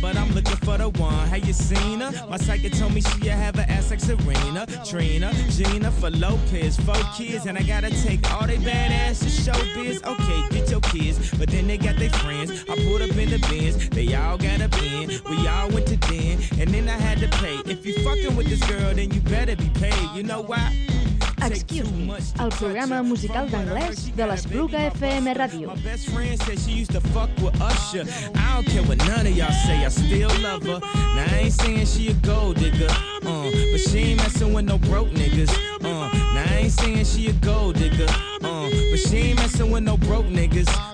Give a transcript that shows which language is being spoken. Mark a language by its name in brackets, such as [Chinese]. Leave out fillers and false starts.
[English] But I'm looking for the one, have you seen her? My psychic told me she have an ass like Serena, Trina, Gina, for Lopez, four kids. And I gotta take all they badass to show biz. Okay, get your kids, but then they got their friends. I pulled up in the Benz, they all got a Benz. We all went to den, and then I had to pay. If you fucking with this girl, then you better be paid. You know why? [Catalan] Excuse Me, el programa musical d'anglès de l'Espluga FM Ràdio. [English] My best friend said she used to fuck with Usher. I don't care what none of y'all say, I still love her. Now I ain't saying she a gold digger, but she ain't messing with no broke niggas. Now I ain't saying she a gold digger, but she ain't messing with no broke niggas.